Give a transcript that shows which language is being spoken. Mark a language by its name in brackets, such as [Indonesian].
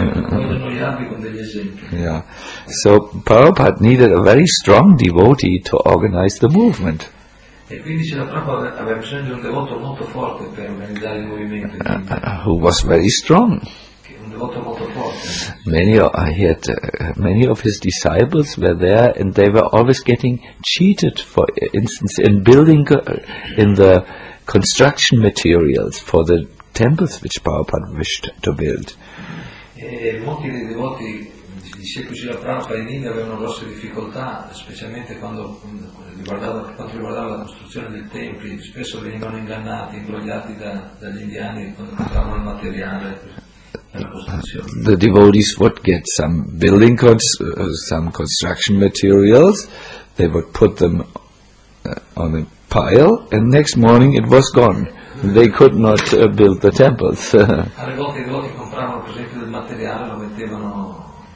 [English] Yeah. So Prabhupada needed a very strong devotee to organize the movement. [Italian] E quindi c'era proprio aveva bisogno di un devoto molto forte per organizzare il movimento. [English] Who was very strong. [Italian] Un devoto molto forte. [English] Many of his disciples were there, and they were always getting cheated, for instance, in building, in the construction materials for the temples which Prabhupada wished to build. [Italian] E molti dei devoti di Srila Prabhupada in India avevano grosse difficoltà, specialmente quando riguardava la costruzione dei templi, spesso venivano ingannati, imbrogliati dagli indiani quando compravano il materiale per la costruzione. [English] The devotees would get some building some construction materials, they would put them on a pile, and next morning it was gone. They could not build the temples. [Italian] Alle volte i devoti compravano, per esempio, del materiale, lo mettevano,